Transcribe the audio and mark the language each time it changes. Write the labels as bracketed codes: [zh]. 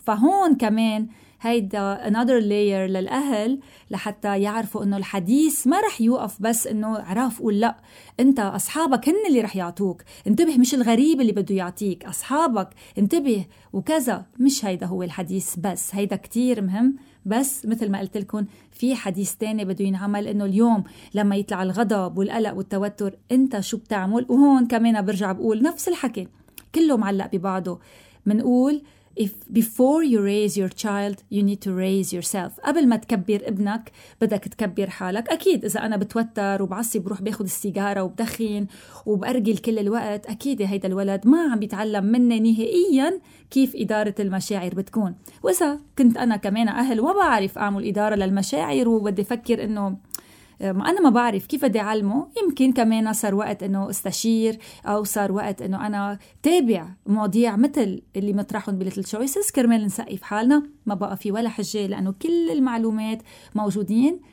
[ar] فهون كمان هيدا [en] another layer [ar] للأهل لحتى يعرفوا أنه الحديث ما رح يوقف بس أنه عرف قول لا، أنت أصحابك هن اللي رح يعطوك، انتبه مش الغريب اللي بده يعطيك، أصحابك انتبه وكذا. مش هيدا هو الحديث بس، هيدا كتير مهم، بس مثل ما قلت لكم في حديث تاني بده ينعمل، أنه اليوم لما يطلع الغضب والقلق والتوتر أنت شو بتعمل. وهون كمان برجع بقول نفس الحكي كله معلق ببعضه، منقول [en] If before you raise your child, you need to raise yourself. [ar] قبل ما تكبر ابنك بدك تكبر حالك. أكيد إذا أنا بتوتر وبعصي بروح بأخذ السيجارة وبدخين وبأرجل كل الوقت، أكيد هيدا الولد ما عم بيتعلم مني نهائيا كيف إدارة المشاعر بتكون. وإذا كنت أنا كمان أهل وما بعرف أعمل إدارة للمشاعر وبدي أفكر إنه ما أنا ما بعرف كيف بدي أعلمه، يمكن كمان صار وقت أنه استشير، أو صار وقت أنه أنا تابع مواضيع مثل اللي مطرحهم بليتل شويسز كرمال نسقي في حالنا. ما بقى في ولا حجة لأنه كل المعلومات موجودين